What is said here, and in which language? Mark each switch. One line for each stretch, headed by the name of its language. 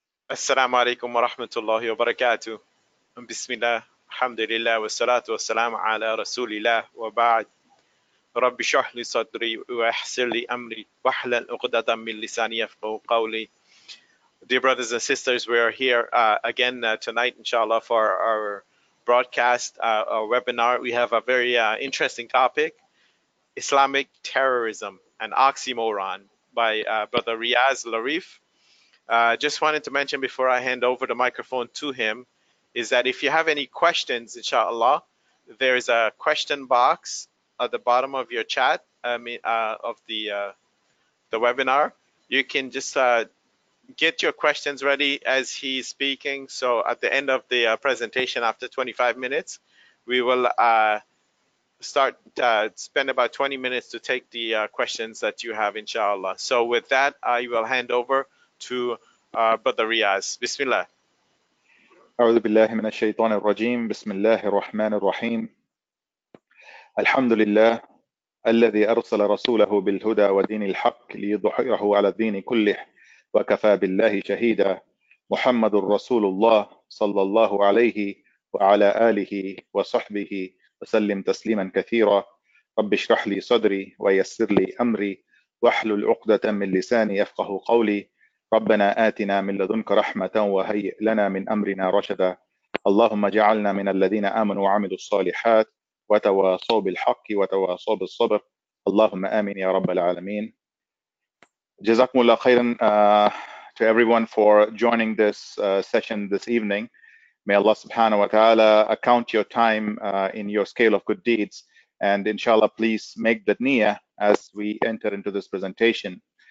Arabic: السلام عليكم ورحمة الله وبركاته. بسم الله، الحمد لله، والصلاة والسلام على رسول الله، وبعد. رب اشرح لي صدري ويسر لي أمري واحلل عقدة من لساني يفقهوا قولي.
English: Dear brothers and sisters, we are here again tonight, inshallah, for our broadcast, our webinar. We have a very interesting topic, Islamic Terrorism, an Oxymoron, by Brother Riaz Larif. Just wanted to mention before I hand over the microphone to him is that if you have any questions, inshallah, there is a question box at the bottom of your chat, of the webinar. You can just get your questions ready as he's speaking. So at the end of the presentation, after 25 minutes, we will spend about 20 minutes to take the questions that you have, inshallah. So with that, I will hand over to Brother Riaz. Bismillah.
Arabic: أعوذ بالله من الشيطان الرجيم. بسم الله الرحمن الرحيم. الحمد لله الذي أرسل رسوله بالهدى ودين الحق ليظهره على الدين كله وكفى بالله شهيدا محمد رسول الله صلى الله عليه وعلى آله وصحبه وسلم تسليما كثيرا رب اشرح لي صدري ويسر لي أمري واحلل عقدة من لساني يفقه قولي ربنا آتنا من لدنك رحمة وهيئ لنا من أمرنا رشدا اللهم اجعلنا من الذين آمنوا وعملوا الصالحات وتواصوا بالحق وتواصوا بالصبر اللهم آمين يا رب العالمين. جزاكم الله خيرا
English: to everyone for joining this session this evening. May Allah subhanahu wa ta'ala account your time in your scale of good deeds, and inshallah please make the niyyah as we enter into this presentation.